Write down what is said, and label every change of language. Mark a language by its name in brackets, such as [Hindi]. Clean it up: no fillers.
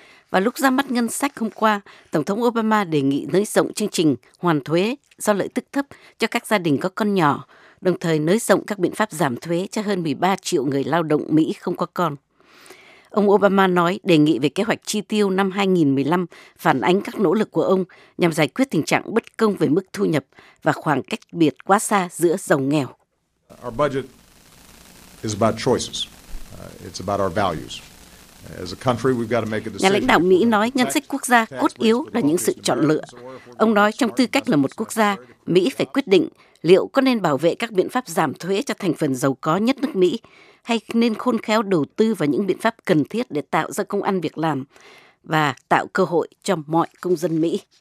[Vietnamese] Và lúc ra mắt ngân sách hôm qua, Tổng thống Obama đề nghị nới rộng chương trình hoàn thuế do lợi tức thấp cho các gia đình có con nhỏ, đồng thời nới rộng các biện pháp giảm thuế cho hơn 13 triệu người lao động Mỹ không có con. Ông Obama nói đề nghị về kế hoạch chi tiêu năm 2015 phản ánh các nỗ lực của ông nhằm giải quyết tình trạng bất công về mức thu nhập và khoảng cách biệt quá xa giữa giàu nghèo. [English] Our budget is about choices. It's about our values. [Vietnamese] Nhà lãnh đạo Mỹ nói ngân sách quốc gia cốt yếu là những sự chọn lựa. Ông nói trong tư cách là một quốc gia, Mỹ phải quyết định liệu có nên bảo vệ các biện pháp giảm thuế cho thành phần giàu có nhất nước Mỹ, hay nên khôn khéo đầu tư vào những biện pháp cần thiết để tạo ra công ăn việc làm và tạo cơ hội cho mọi công dân Mỹ.